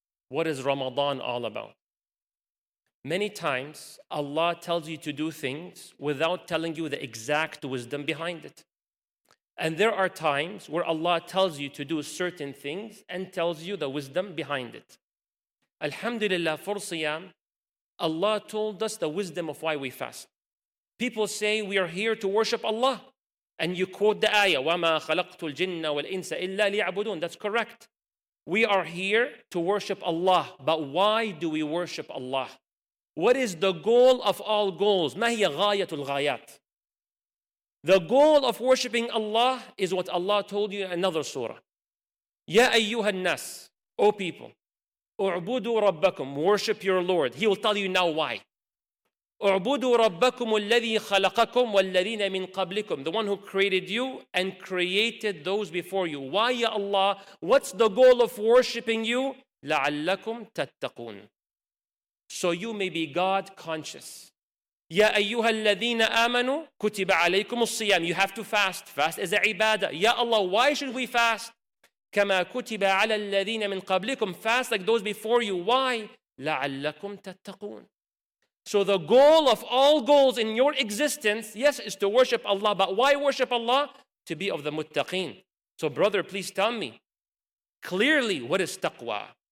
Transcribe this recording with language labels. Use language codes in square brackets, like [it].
[en] What is Ramadan all about? Many times, Allah tells you to do things without telling you the exact wisdom behind it. And there are times where Allah tells you to do certain things and tells you the wisdom behind it. Alhamdulillah for Siyam, Allah told us the wisdom of why we fast. People say we are here to worship Allah. And you quote the ayah, [ar] وَمَا خَلَقْتُ الْجِنَّ وَالْإِنسَ إِلَّا لِيَعْبُدُونَ. [en] That's correct. We are here to worship Allah. But why do we worship Allah? What is the goal of all goals? [ar] مَا هِيَ غَايَةُ الْغَايَاتِ. [en] The goal of worshiping Allah is what Allah told you in another surah. [ar] يَا أَيُّهَا النَّاسِ. [en] O people, [ar] اُعْبُدُوا رَبَّكُمْ. [en] Worship your Lord. He will tell you now why. [ar] اعبدوا ربكم الذي خلقكم والذين من قبلكم. [en] The one who created you and created those before you. Why, ya Allah? What's the goal of worshiping you? [ar] لعلكم تتقون. [en] So you may be God conscious. [ar] يا أيها الذين آمنوا كتب عليكم الصيام. [en] You have to fast. Fast is a ibadah. Ya Allah, why should we fast? [ar] كما كتب على الذين من قبلكم. [en] Fast like those before you. Why? [ar] لعلكم تتقون. [en] So the goal of all goals in your existence, yes, is to worship Allah. But why worship Allah? To be of the muttaqeen. So brother, please tell me clearly, what is taqwa?